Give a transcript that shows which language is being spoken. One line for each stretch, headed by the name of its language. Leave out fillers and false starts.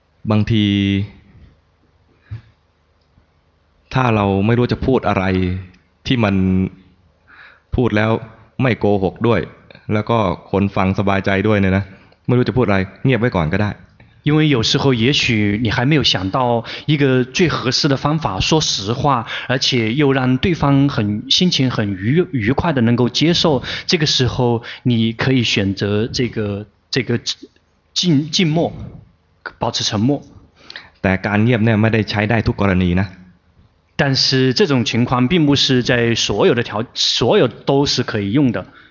Thai: บางทีถ้าเราไม่รู้จะพูดอะไรที่มันพูดแล้วไม่โกหกด้วยแล้วก็คนฟังสบายใจด้วยเนี่ยนะไม่รู้จะพูดอะไรเงียบไว้ก่อนก็ได้
Chinese: 因为有时候也许你还没有想到一个最合适的方法说实话而且又让对方很心情很愉快的能够接受这个时候你可以选择这个静默保持沉默
Thai: แต่การเงียบเนี่ยไม่ได้ใช้ได้ทุกกรณีนะ
Chinese: 但是这种情况并不是在所有的条所有都是可以用的